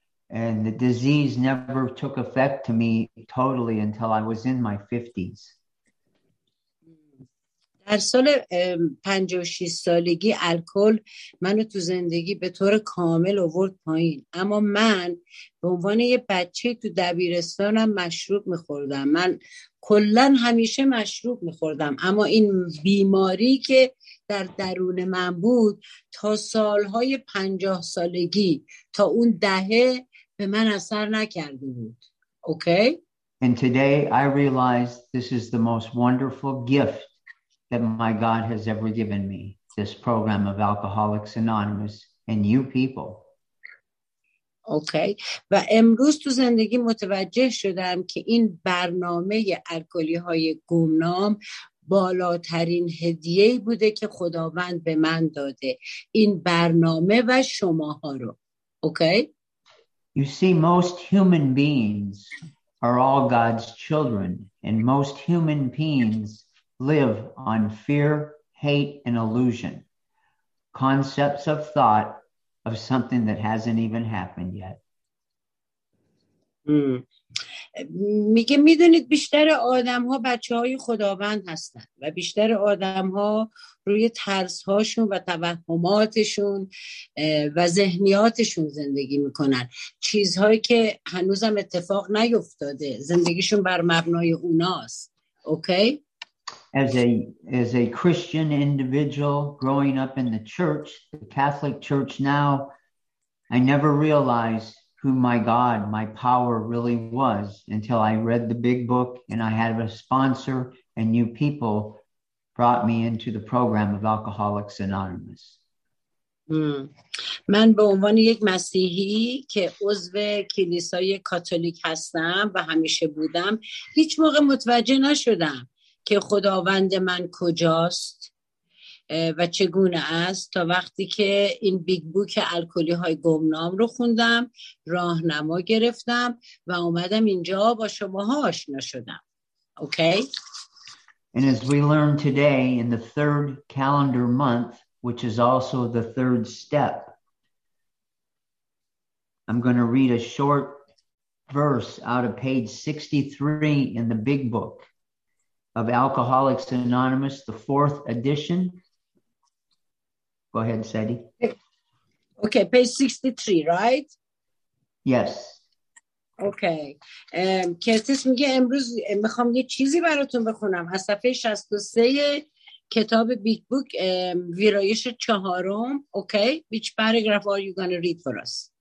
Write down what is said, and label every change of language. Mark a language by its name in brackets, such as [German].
[English] And the disease never took effect to me totally until I was in my 50s. [Persian] در سال 56 سالگی الکل منو تو زندگی به طور کامل آورد پایین، اما من به عنوان یه بچه تو دبیرستانم مشروب می‌خوردم. من کلاً همیشه مشروب می‌خوردم، اما این بیماری که در درون من بود تا سالهای 50 سالگی تا اون دهه به من اثر نکرده بود. اوکی؟ [English] And today I realize this is the most wonderful gift that my God has ever given me, this program of Alcoholics Anonymous and you people. Okay. [Persian] و امروز تو زندگی متوجه شدم که این برنامه الکلی‌های گمنام بالاترین هدیه‌ای بوده که خداوند به من داده، این برنامه و شماها رو. Okay. [English] You see, most human beings are all God's children, and most human beings live on fear, hate, and illusion. Concepts of thought of something that hasn't even happened yet. [Persian] میگه میدونید بیشتر آدم ها بچه های خداوند هستن و بیشتر آدم ها روی ترس هاشون و توهماتشون و ذهنیاتشون زندگی میکنن، چیزهایی که هنوزم اتفاق نیفتاده، زندگیشون بر مبنای اوناست. اوکی؟ [English] As a Christian individual growing up in the church, the Catholic Church now, I never realized who my God, my power really was until I read the big book and I had a sponsor and new people brought me into the program of Alcoholics Anonymous. [Persian] من به عنوان یک مسیحی که عضو کلیسای کاتولیک هستم و همیشه بودم هیچ موقع متوجه نشدم که خداوند من کجاست و چگونه است تا وقتی که این بیگ بوک الکلی های گمنام رو خوندم، راهنما گرفتم و اومدم اینجا با شماها آشنا شدم. اوکی؟ [English] And as we learn today in the third calendar month, which is also the third step, I'm going to read a short verse out of page 63 in the big book of Alcoholics Anonymous, the fourth edition. Go ahead, Sadie. Okay, page 63, right? Yes. [Persian] اوکی کرتیس میگه امروز میخوام یه چیزی براتون بخونم از صفحه 63 کتاب بیگ بوک ویرایش چهارم. [English] Okay which paragraph are you going to read for us?